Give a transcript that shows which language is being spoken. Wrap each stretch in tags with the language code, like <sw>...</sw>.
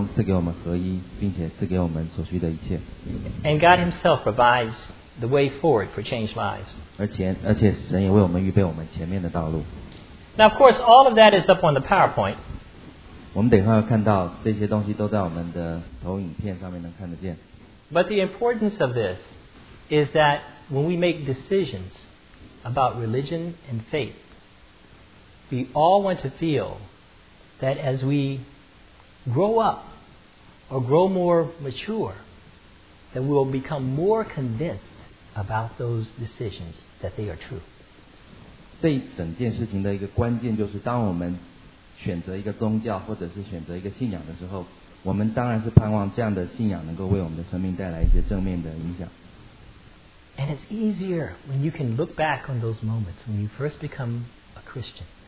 <zh>是神他在我们当中赐给我们合一，并且赐给我们所需的一切。</zh> <en>And God himself provides the way forward for changed lives.</en> <zh>而且神也为我们预备我们前面的道路。</zh> <en>Now of course all of that is up on the PowerPoint.</en> <zh>我们等一会儿看到这些东西都在我们的投影片上面能看得见。</zh> <en>But the importance of this is that when we make decisions about religion and faith, we all want to feel that as we grow up or grow more mature, that we will become more convinced about those decisions that they are true.</en> <zh>这一整件事情的一个关键就是当我们 选择一个宗教或者是选择一个信仰的时候，我们当然是盼望这样的信仰能够为我们的生命带来一些正面的影响。</zh> <en>And it's easier when you can look back on those moments when you first become a Christian.</en>